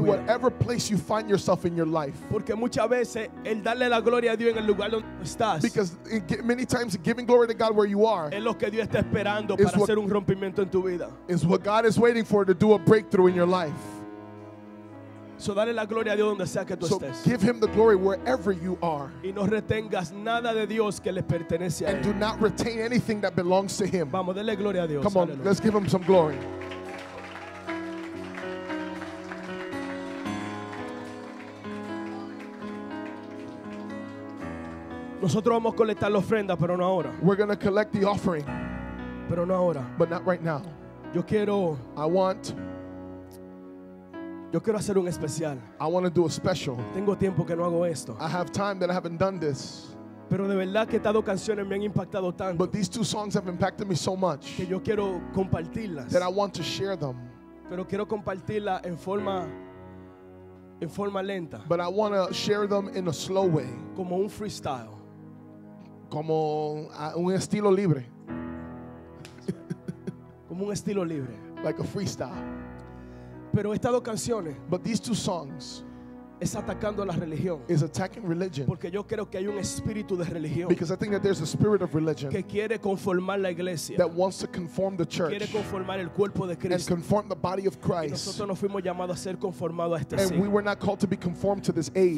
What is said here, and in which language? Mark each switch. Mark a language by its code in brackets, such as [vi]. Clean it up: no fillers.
[en] In whatever place you find yourself in your life. [es] Porque muchas veces el darle la gloria a Dios en el lugar donde estás. [en] Because many times giving glory to God where you are. [es] Es lo que Dios está esperando para hacer un rompimiento en tu vida. [en] Is what God is waiting for to do a breakthrough in your life. [es] So dale la gloria a Dios donde sea que tú estés. [en] So give him the glory wherever you are. [es] Y no retengas nada de Dios que le pertenece a él. [en] And do not retain anything that belongs to him. [es] Vamos, dale gloria a Dios. [en] Come on, [es] aleluya. [en] Let's give him some glory. [es] Nosotros vamos a colectar la ofrenda, pero no ahora. [en] We're going to collect the offering. [es] Pero no ahora. [en] But not right now. [es] Yo quiero hacer un especial. [en] I want to do a special. [es] Tengo tiempo que no hago esto. [en] I have time that I haven't done this. [es] Pero de verdad que estas dos canciones me han impactado tanto. [en] But these two songs have impacted me so much. [es] Que yo quiero compartirlas. [en] That I want to share them. [es] Pero quiero compartirlas en forma lenta. [en] But I want to share them in a slow way. [es] Como un freestyle. como un estilo libre. Como un estilo libre. [en] Like a freestyle. [es] Pero estas dos canciones. [en] But these two songs. [es] Es atacando la religión. [en] Is attacking religion. [es] Porque yo creo que hay un espíritu de religión. [en] Because I think that there's a spirit of religion. [es] Que quiere conformar la iglesia. [en] That wants to conform the church. [es] Quiere conformar el cuerpo de Cristo. [en] And conform the body of Christ. [es] Y nosotros no fuimos llamados a ser conformados a este siglo. [en] And we were not called to be conformed to this age.